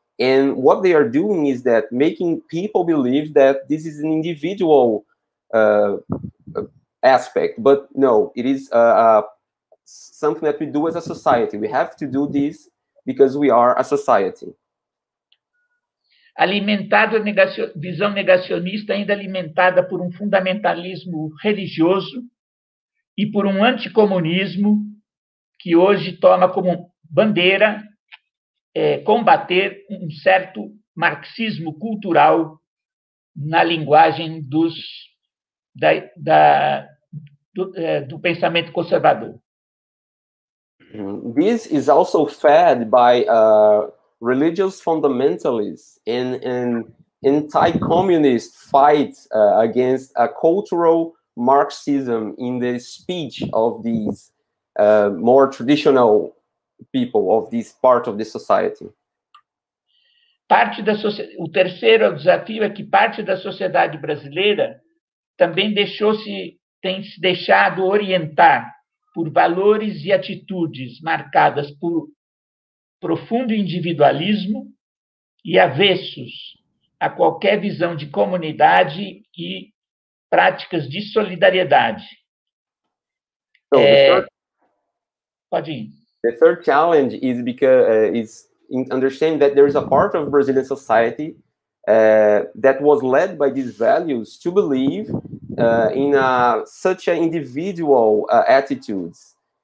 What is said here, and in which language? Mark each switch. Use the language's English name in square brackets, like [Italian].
[English] And what they are doing is that making people believe that this is an individual aspect. But no, it is something that we do as a society. We have to do this because we are a society. [Portuguese] Alimentado a visão negacionista, ainda alimentada por um fundamentalismo religioso e por um anticomunismo que hoje toma como bandeira combater um certo marxismo cultural na linguagem do pensamento conservador. [English] This is also fed by religious fundamentalists and anti-communist fights against a cultural Marxism in the speech of these more traditional people of this part of the society. [Portuguese] Parte da o terceiro desafio é que parte da sociedade brasileira também tem se deixado orientar por valores e atitudes marcadas por profundo individualismo e avessos a qualquer visão de comunidade e práticas de solidariedade. [English] The third challenge is because is in understanding that there is a part of Brazilian society that was led by these values to believe in such an individual attitudes.